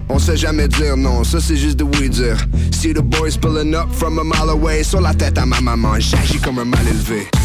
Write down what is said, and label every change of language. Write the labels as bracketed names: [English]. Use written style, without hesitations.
[French] On sait jamais dire non, ça c'est juste de weed dire. [English] See the boys pulling up from a mile away. [French] Sur la tête à ma maman, j'agis comme un mal élevé.